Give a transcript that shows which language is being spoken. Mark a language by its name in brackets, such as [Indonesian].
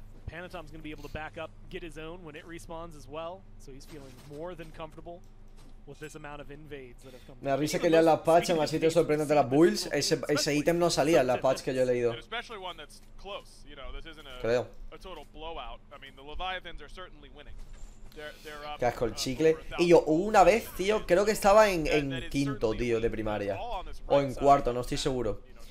[English] Panatom's gonna be able to back up, get his own when it respawns as well, so he's feeling more than comfortable with this amount of invades that have come. [Spanish] Me avisa que lea las patches, así te sorprende de las builds. Ese ítem no salía en las patches que yo he leído. [English] Especially one that's close, you know, this isn't a total blowout. I mean, the Leviathans are certainly winning. [Spanish] Qué asco el chicle. Y yo una vez, tío, creo que estaba en quinto, tío, de primaria o en cuarto, no estoy seguro.